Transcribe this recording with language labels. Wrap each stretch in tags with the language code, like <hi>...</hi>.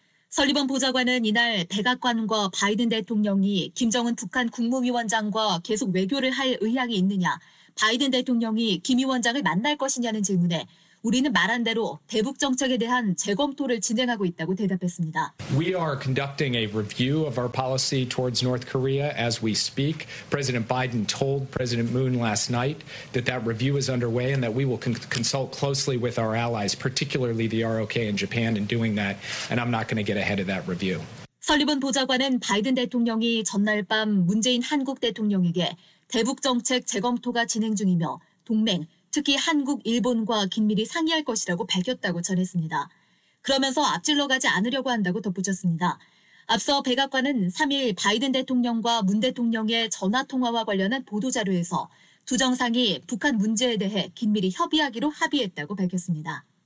<ko>설리번 보좌관은 이날 백악관과 바이든 대통령이 김정은 북한 국무위원장과 계속 외교를 할 의향이 있느냐, 바이든 대통령이 김 위원장을 만날 것이냐는 질문에 우리는 말한 대로 대북 정책에 대한 재검토를 진행하고 있다고 대답했습니다.</ko> <en>We are conducting a review of our policy towards North Korea as we speak. President Biden told President Moon last night that that review is underway and that we will consult closely with our allies, particularly the ROK in Japan, in doing that. And I'm not going to get ahead of that review.</en> <ko>설리번 보좌관은 바이든 대통령이 전날 밤 문재인 한국 대통령에게 대북 정책 재검토가 진행 중이며 동맹, 특히 한국, 일본과 긴밀히 상의할 것이라고 밝혔다고 전했습니다. 그러면서 앞질러 가지 않으려고 한다고 덧붙였습니다. 앞서 백악관은 3일 바이든 대통령과 문 대통령의 전화 통화와 관련한 보도자료에서 두 정상이 북한 문제에 대해 긴밀히 협의하기로 합의했다고 밝혔습니다.</ko>